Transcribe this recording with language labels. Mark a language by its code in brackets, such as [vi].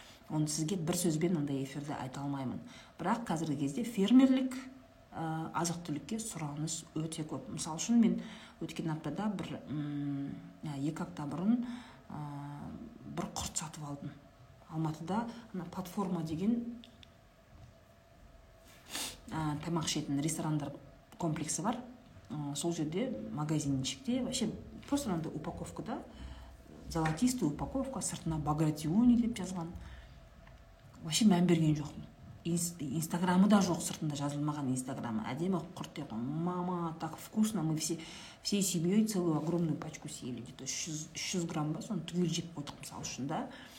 [kk] Оны сізге бір сөзбен ондай эфирде айта алмаймын. Бірақ қазіргі кезде фермерлік азық-түлікке сұраныс өте көп. Мысал үшін мен өткен аптада бір екі апта бұрын бір құрт сатып алдым. Алматыда ана платформа деген тамақ ішетін ресторандар комплексі бар. Сол жерде магазинчикте [ru] вообще просто надо упаковку, да, золотистую упаковку, [kk] сыртына Багратиони деп жазған. Вообще мән берген жоқтын. Инстаграмы да жоқ, сыртында жазылмаған инстаграмы. Әдемі құрт деп, [ru] мама, так вкусно, мы всей семьей целую огромную пачку съели. Где-то 300 грамм [kk] ба, соны түгел жеп қойдық мысал үшін, да.